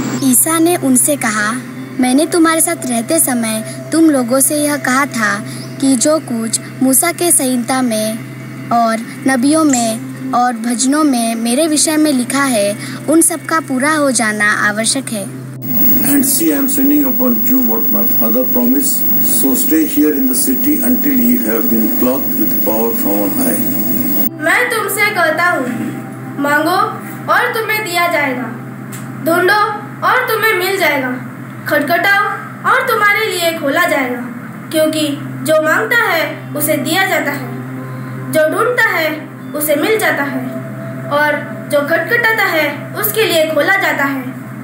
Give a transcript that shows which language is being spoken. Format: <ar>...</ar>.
<hi>ईसा ने उनसे कहा, मैंने तुम्हारे साथ रहते समय तुम लोगों से यह कहा था कि जो कुछ मूसा के संहिता में और नबियों में और भजनों में मेरे विषय में लिखा है उन सब का पूरा हो जाना आवश्यक है।</hi> <en>And see, I am sending upon you what my father promised. So stay here in the city until you have been clothed with power from on high.</en> <hi>मैं तुमसे कहता हूँ, मांगो और तुम्हें दिया जाएगा, ढूंढो और तुम्हें मिल जाएगा, खटखटाओ और तुम्हारे लिए खोला जाएगा, क्योंकि जो मांगता है उसे दिया जाता है, जो ढूंढता है उसे मिल जाता है, और जो खटखटाता है उसके लिए खोला जाता है।</hi>